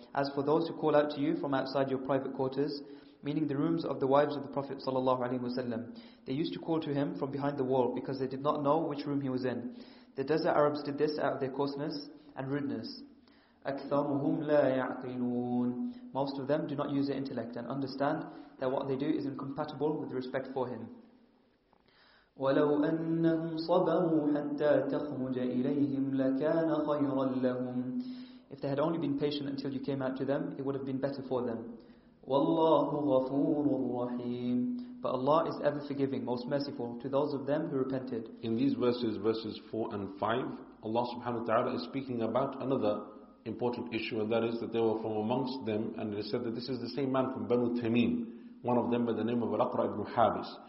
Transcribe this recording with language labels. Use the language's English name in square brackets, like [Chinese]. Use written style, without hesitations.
[English] As for those who call out to you from outside your private quarters, meaning the rooms of the wives of the Prophet sallallahu alaihi wasallam, they used to call to him from behind the wall because they did not know which room he was in. The desert Arabs did this out of their coarseness and rudeness. [Arabic] أكثرهم لا يعقلون. [English] Most of them do not use their intellect and understand that what they do is incompatible with respect for him. [Arabic] ولو أنهم صبروا حتى تخرج إليهم لكان خيرا لهم. [English] If they had only been patient until you came out to them, it would have been better for them. [Arabic] وَاللَّهُ غَفُورٌ رَّحِيمٌ. [English] But Allah is ever forgiving, most merciful, to those of them who repented. In these verses, verses 4 and 5, Allah subhanahu wa ta'ala is speaking about another important issue, and that is that they were from amongst them, and they said that this is the same man from Banu Tamim, one of them by the name of Al-Aqra ibn Habis.